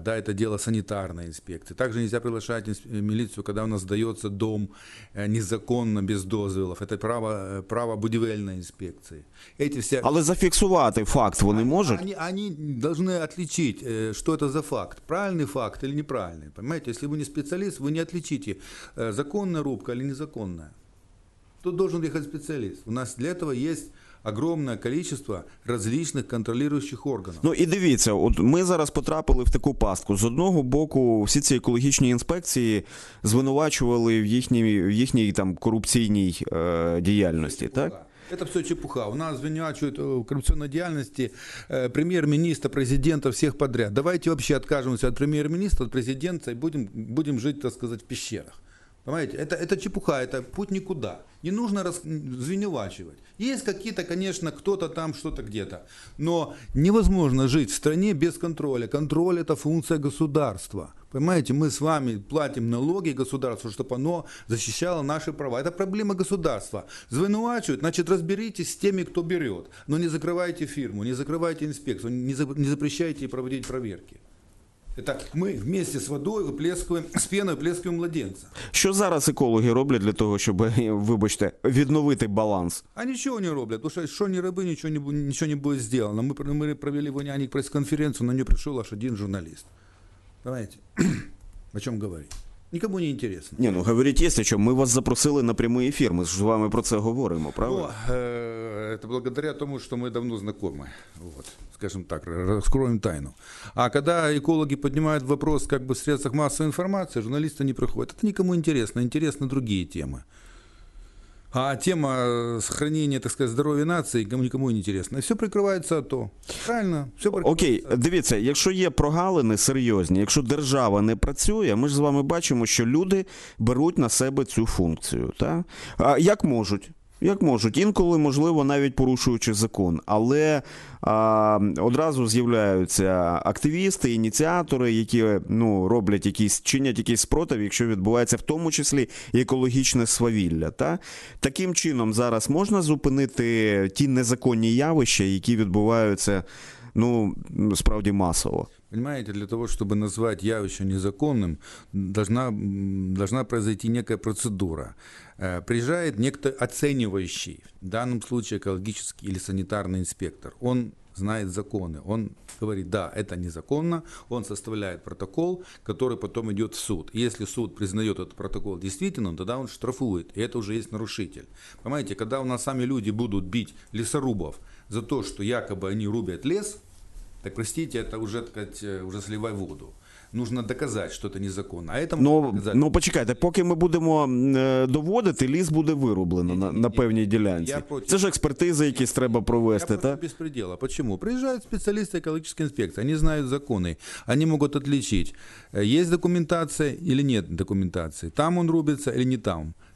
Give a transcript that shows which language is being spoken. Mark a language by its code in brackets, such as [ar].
[ru] Да, это дело санитарной инспекции. Также нельзя приглашать милицию, когда у нас сдается дом незаконно, без дозволов. Это право [uk] будівельної [ru] инспекции. Эти все... [uk] Але [ru] зафиксировать факт [uk] вони можуть? [ru] Они должны отличить, что это за факт. Правильный факт или неправильный. Понимаете, если вы не специалист, вы не отличите, законная рубка или незаконная. Тут должен ехать специалист. У нас для этого есть огромное количество различных контролирующих органов. [uk] Ну и дивіться, от ми зараз потрапили в таку пастку. З одного боку, всі ці екологічні інспекції звинувачували в їхній там корупційній діяльності, так? [ru] Это все чепуха. У нас обвиняют в коррупционной деятельности премьер-министра, президента, всех подряд. Давайте вообще откажемся от премьер-министра, от президента и будем жить, так сказать, в пещерах. Понимаете, это чепуха, это путь никуда. Не нужно звиневачивать. Есть какие-то, конечно, кто-то там, что-то где-то. Но невозможно жить в стране без контроля. Контроль – это функция государства. Понимаете, мы с вами платим налоги государству, чтобы оно защищало наши права. Это проблема государства. Звиневачивают, значит, разберитесь с теми, кто берет. Но не закрывайте фирму, не закрывайте инспекцию, не запрещайте проводить проверки. Это мы вместе с водой выплескиваем, с пеной выплескиваем младенца. Что [uk] зараз экологи роблять [ru] для того, чтобы, [uk] вибачте, відновити баланс? [ru] А ничего не [uk] роблять, [ru] потому что не роби, ничего не будет сделано. Мы провели воняник пресс-конференцию, на нее пришел аж один журналист. Понимаете, о чем говорить? [uk] Нікому не інтересно. Ні, ну говоріть, є що. Ми вас запросили на прямий ефір, ми з вами про це говоримо, правильно? Це благодаря тому, що ми давно знайомі. [ru] Вот, скажем так, [uk] розкроємо тайну. А коли екологи піднімають [ru] вопрос, как бы, в средствах [uk] масової інформації, журналісти не приходять. Це нікому інтересно, інтересно другі теми. [ru] А тема сохранения, так сказать, здоровья нации никому не интересна. Все прикрывается АТО. Правильно? Все прикрывается. [uk] Окей, дивіться, якщо є прогалини серйозні, якщо держава не працює, ми ж з вами бачимо, що люди беруть на себе цю функцію. Та? А як можуть? Як можуть? Інколи, можливо, навіть порушуючи закон. Але одразу з'являються активісти, ініціатори, які чинять якийсь спротив, якщо відбувається в тому числі екологічне свавілля. Та? Таким чином зараз можна зупинити ті незаконні явища, які відбуваються, ну, справді масово? [ru] Понимаете, для того, чтобы назвать [uk] явище [ru] незаконным, должна произойти некая процедура. Приезжает некто оценивающий, в данном случае экологический или санитарный инспектор. Он знает законы. Он говорит, да, это незаконно, он составляет протокол, который потом идет в суд. Если суд признает этот протокол действительным, тогда он штрафует, и это уже есть нарушитель. Понимаете, когда у нас сами люди будут бить лесорубов за то, что якобы они рубят лес, так простите, это уже, так сказать, уже сливай воду. [uk] Нужно доказати, що це незаконно. А этому ну почекайте, поки ми будемо доводити, ліс буде вироблено на певній ділянці. Це ж експертизи якісь треба провести, так? [ru] Я без предела. Почему? [uk] Приїжджають спеціалісти екологічної інспекції, вони знають закони, вони можуть відлічити, є документація чи ні документації, там він рубиться чи не там.